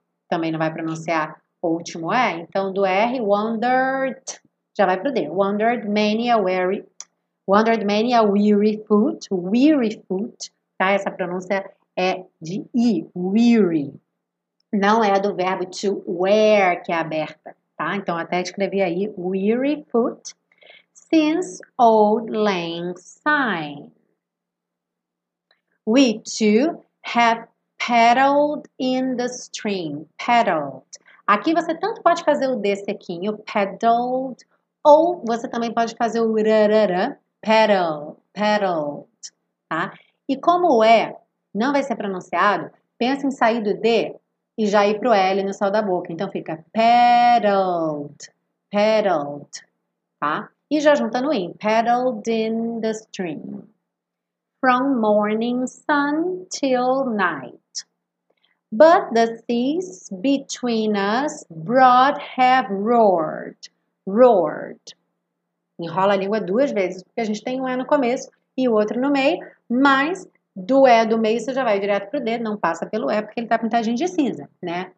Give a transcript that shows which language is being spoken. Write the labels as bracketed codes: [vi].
[pt] Também não vai pronunciar o último E. Então, do R, wandered. Já vai pro D. [en] Wandered many a weary. Wandered many a weary foot. Weary foot. [pt] Tá? Essa pronúncia é de I. Weary. Não é a do verbo to wear que é aberta. Tá? Então, até escrevi aí, [en] weary foot, since auld lang syne. We too have paddled in the stream. Paddled. [pt] Aqui você tanto pode fazer o D sequinho, paddled, ou você também pode fazer o rarara, [en] paddle, paddled. [pt] Tá? E como o E não vai ser pronunciado, pensa em sair do D. E já ir para o L no céu da boca. Então fica [en] paddled, paddled, [pt] tá? E já junta no I. [en] Paddled in the stream. From morning sun till night. But the seas between us broad have roared, roared. [pt] Enrola a língua duas vezes, porque a gente tem um E no começo e o outro no meio, mas. Do E do meio, você já vai direto pro D, não passa pelo E, porque ele tá pintadinho de cinza, né?